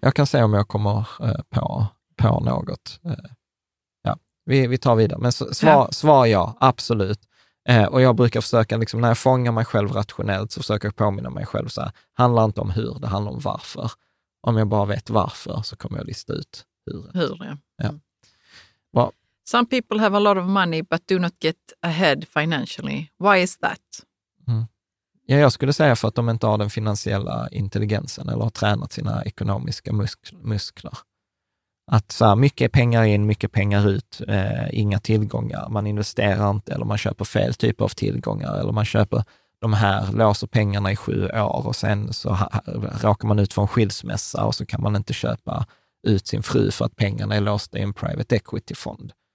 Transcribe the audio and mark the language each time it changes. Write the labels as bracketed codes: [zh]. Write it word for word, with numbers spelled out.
[sv] Jag kan säga om jag kommer eh, på, på något. Eh, ja, vi, vi tar vidare. Men så, svar, ja. svar ja, absolut. Eh, och jag brukar försöka, liksom, när jag fångar mig själv rationellt så försöker jag påminna mig själv så här, handlar inte om hur, det handlar om varför. Om jag bara vet varför så kommer jag lista ut hur. Hur, ja. ja. Bra. [en] Some people have a lot of money but do not get ahead financially. Why is that? Mm. [sv] Ja, jag skulle säga för att de inte har den finansiella intelligensen eller har tränat sina ekonomiska musk- muskler. Att så här, mycket pengar in, mycket pengar ut, eh, inga tillgångar. Man investerar inte eller man köper fel typ av tillgångar eller man köper de här, låser pengarna i sju år och sen så ha, råkar man ut för en skilsmässa och så kan man inte köpa ut sin fru för att pengarna är låsta i en private equity-fond.